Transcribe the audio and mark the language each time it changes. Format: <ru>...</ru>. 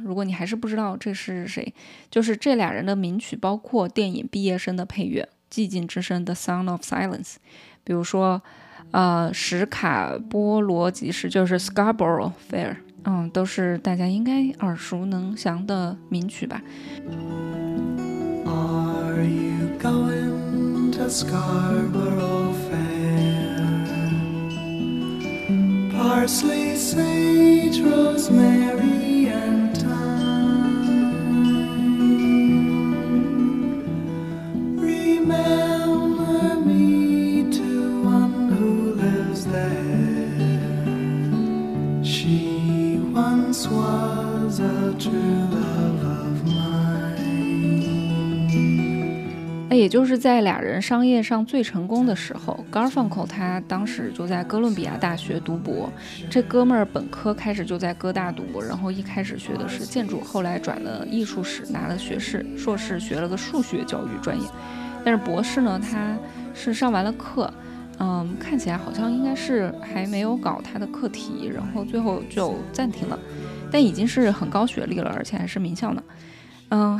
<zh>如果你还是不知道这是谁，就是这俩人的名曲包括电影《毕业生》的配乐，《寂静之声》The Sound of Silence， 比如说史卡波罗集市，就是 Scarborough Fair， 都是大家应该耳熟能详的名曲吧。</zh> <en>Are you going to Scarborough Fair? Parsley, sage, rosemary and thyme. Remember meShe once was a true love of mine。</en> <zh>那也就是在俩人商业上最成功的时候， Garfunkel 他当时就在哥伦比亚大学读博，这哥们儿本科开始就在哥大读博，然后一开始学的是建筑，后来转了艺术史，拿了学士，硕士学了个数学教育专业。但是博士呢，他是上完了课，看起来好像应该是还没有搞他的课题，然后最后就暂停了，但已经是很高学历了，而且还是名校呢。</zh>